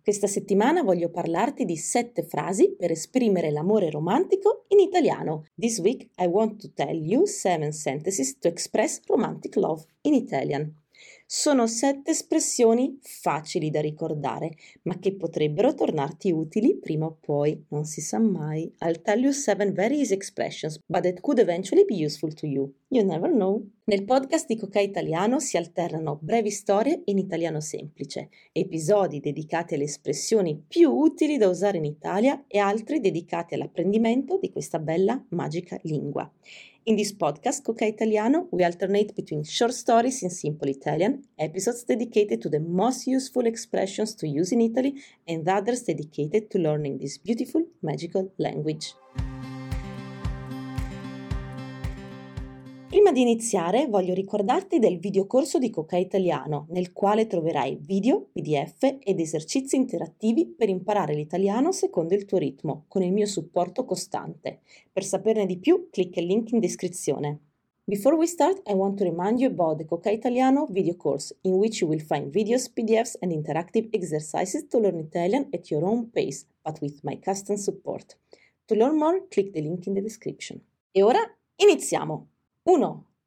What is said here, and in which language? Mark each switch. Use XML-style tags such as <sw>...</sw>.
<it>Questa settimana voglio parlarti di sette frasi per esprimere l'amore romantico in italiano.</it> <en>This week I want to tell you seven sentences to express romantic love in Italian.</en> <it>Sono sette espressioni facili da ricordare, ma che potrebbero tornarti utili prima o poi, non si sa mai.</it> <en>I'll tell you seven very easy expressions, but it could eventually be useful to you. You never know.</en> <it>Nel podcast di Coca Italiano si alternano brevi storie in italiano semplice, episodi dedicati alle espressioni più utili da usare in Italia e altri dedicati all'apprendimento di questa bella, magica lingua.</it> <en>In this podcast, Coca Italiano, we alternate between short stories in simple Italian, episodes dedicated to the most useful expressions to use in Italy, and others dedicated to learning this beautiful, magical language.</en> <it>Prima di iniziare, voglio ricordarti del videocorso di Coca Italiano, nel quale troverai video, PDF ed esercizi interattivi per imparare l'italiano secondo il tuo ritmo, con il mio supporto costante. Per saperne di più, clicca il link in descrizione.</it> <en>Before we start, I want to remind you about the Coca Italiano video course, in which you will find videos, PDFs and interactive exercises to learn Italian at your own pace, but with my custom support. To learn more, click the link in the description.</en> <it>E ora, iniziamo!</it> <en>1.</en>